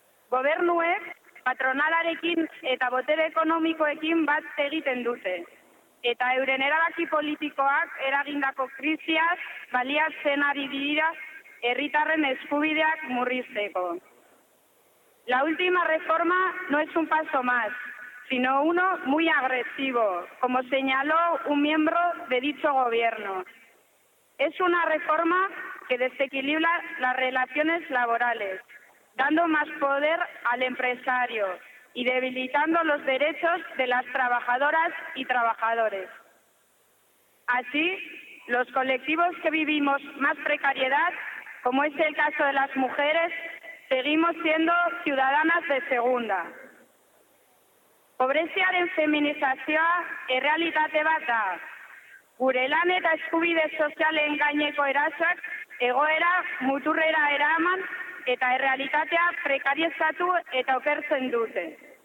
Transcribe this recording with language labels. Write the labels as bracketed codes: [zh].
[eu] Gobernuek, patronalarekin eta botere ekonomikoekin bat egiten dute. Eta euren erabaki politikoak eragindako krisiaz baliatzen ari dira herritarren eskubideak murrizteko. [es] La última reforma no es un paso más, sino uno muy agresivo, como señaló un miembro de dicho gobierno. Es una reforma que desequilibra las relaciones laborales, dando más poder al empresario y debilitando los derechos de las trabajadoras y trabajadores. Así, los colectivos que vivimos más precariedad, como es el caso de las mujeres, seguimos siendo ciudadanas de segunda. [eu] Pobreziaren feminizazioa errealitate bat da. Gure lan eta eskubide sozialen gaineko erasoak egoera muturrera eraman eta errealitatea prekariezatu eta okertzen dute.